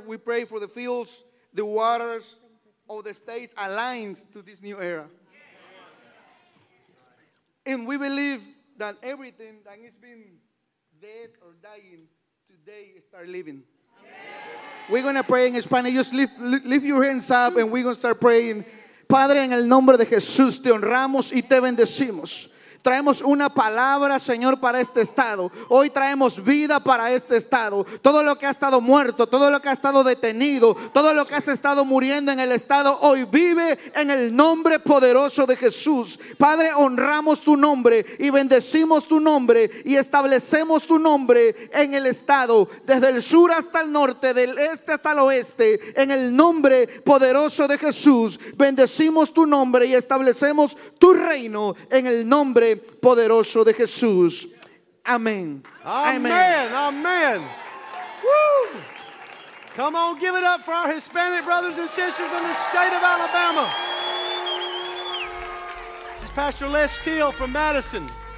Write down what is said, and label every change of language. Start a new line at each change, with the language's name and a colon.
English: We pray for the fields, the waters of the states aligns to this new era. And we believe that everything that has been dead or dying today start living. We're going to pray in Spanish. Just lift your hands up and we're going to start praying.
Spanish: Padre, en el nombre de Jesús, te honramos y te bendecimos. Traemos una palabra, Señor, para este estado. Hoy traemos vida para este estado. Todo lo que ha estado muerto, todo lo que ha estado detenido, todo lo que ha estado muriendo en el estado, hoy vive en el nombre poderoso de Jesús. Padre, honramos tu nombre y bendecimos tu nombre y establecemos tu nombre en el estado, desde el sur hasta el norte, del este hasta el oeste, en el nombre poderoso de Jesús. Bendecimos tu nombre y establecemos tu reino en el nombre poderoso de Jesús. Amén. Amén. Amén. Woo!
English: Come on, give it up for our Hispanic brothers and sisters in the state of Alabama. This is Pastor Les Teal from Madison.